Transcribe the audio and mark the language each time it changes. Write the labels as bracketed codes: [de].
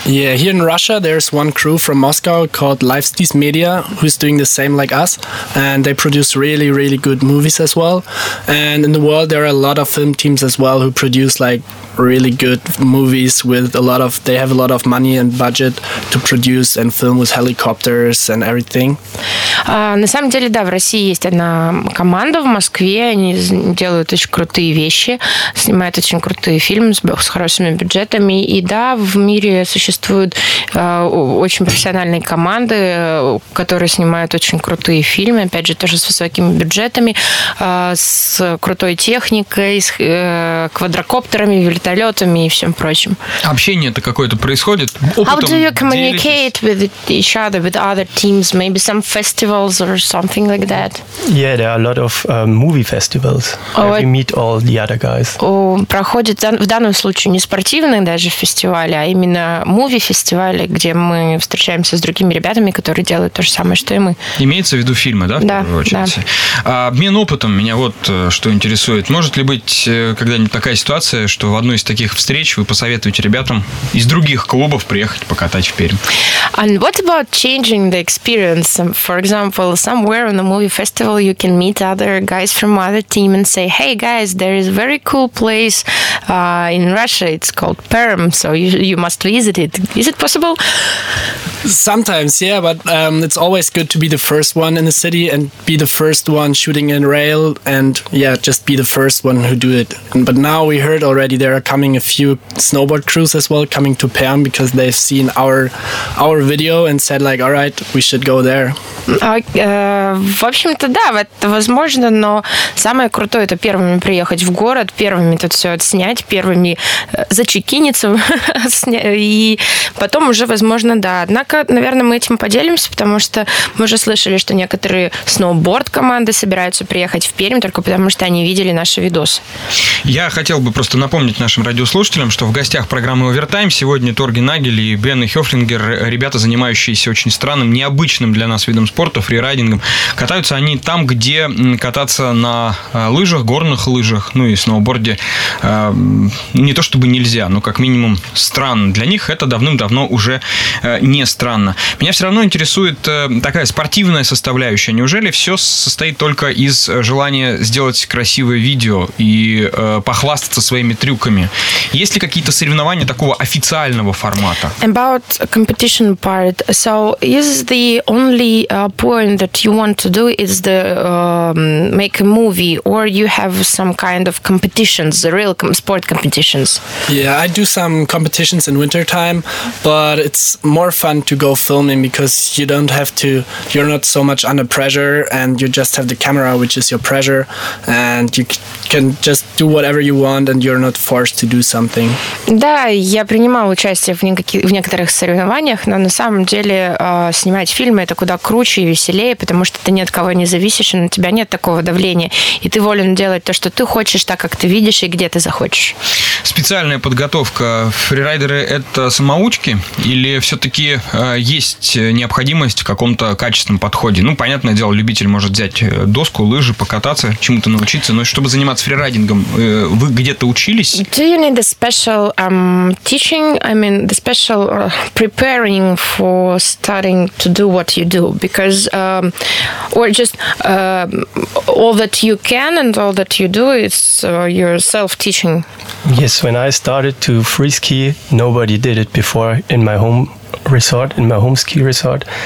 [en] Yeah, here in Russia, there's one crew from Moscow called Lifestyle Media, who's doing the same like us, and they produce really, really good movies as well. And in the world, there are a lot of film teams as well who produce, like, really good movies with a lot of, they have a lot of money and budget to produce and film with helicopters and everything. [ru] На самом деле, да, в России есть одна команда в Москве, они делают очень крутые вещи, снимают очень крутые фильмы с хорошими бюджетами, и да, в мире существуют очень профессиональные команды, которые снимают очень крутые фильмы, опять же, тоже с высокими бюджетами, с крутой техникой, с квадрокоптерами, вертолетами и всем прочим. Общение-то какое-то происходит? [en] How do you communicate with each other, with other teams, maybe some festivals or something like that? Yeah, there are a lot of movie festivals. Oh, we meet all the other guys. [ru] Проходит в данном случае не спортивные даже фестивали, а именно movie-фестивали, где мы встречаемся с другими ребятами, которые делают то же самое, что и мы. Имеется в виду фильмы, да? Да, да. А обмен опытом меня вот что интересует. Может ли быть когда-нибудь такая ситуация, что в одной из таких встреч вы посоветуете ребятам из других клубов приехать покатать в Пермь? [en] And what about changing the experience? For example, somewhere on a movie festival you can meet other guys from other team and say, hey guys, there is a very cool place in Russia, it's called Perm, so you must visit it. Is it possible? Sometimes, yeah, but it's always good to be the first one in the city and be the first one shooting in rail and, yeah, just be the first one who do it. But now we heard already there are coming a few snowboard crews as well coming to Perm because they've seen our video and said, like, all right, we should go there. [ru] В общем-то, да, это возможно, но самое крутое – это первыми приехать в город, первыми тут все отснять, первыми зачекиниться, и потом уже, возможно, да. Однако, наверное, мы этим поделимся, потому что мы уже слышали, что некоторые сноуборд-команды собираются приехать в Пермь только потому, что они видели наши видосы. Я хотел бы просто напомнить нашим радиослушателям, что в гостях программы «Овертайм» сегодня Торги Нагель и Бен Хёфлингер, ребята, занимающиеся очень странным, необычным для нас видом спорта, фрирайдингом. Катаются они там, где кататься на лыжах, горных лыжах, ну и сноуборде не то чтобы нельзя, но как минимум странно. Для них это давным-давно уже не странно. Меня все равно интересует такая спортивная составляющая. Неужели все состоит только из желания сделать красивое видео и похвастаться своими трюками? Есть ли какие-то соревнования такого официального формата? [en] About competition part. So is the only point that you want to do is the make a movie, or you have some kind of competitions, real sport competitions? Yeah, I do some competitions in winter time, but it's more fun to go filming because you don't have to, you're not so much under pressure, and you just have the camera, which is your pressure, and you can just do whatever you want, and you're not forced to do something. [ru] Да, я принимала участие в некоторых соревнованиях, но на самом деле снимать фильмы — это куда круче и веселее, потому что ты ни от кого не зависишь, и на тебя нет такого давления, и ты волен делать то, что ты хочешь, так, как ты видишь и где ты захочешь. Специальная подготовка. Фрирайдеры — это самоучки? Или все-таки есть необходимость в каком-то качественном подходе? Ну, понятное дело, любитель может взять доску, лыжи, покататься, чему-то научиться, но чтобы заниматься фрирайдингом, вы где-то учились? [en] Do you need a special teaching? I mean, the special preparing for starting to do what you do? Because or just all that you can and all that you do is your self-teaching. Yes, when I started to free ski, nobody did it before in my home resort, in my home ski resort.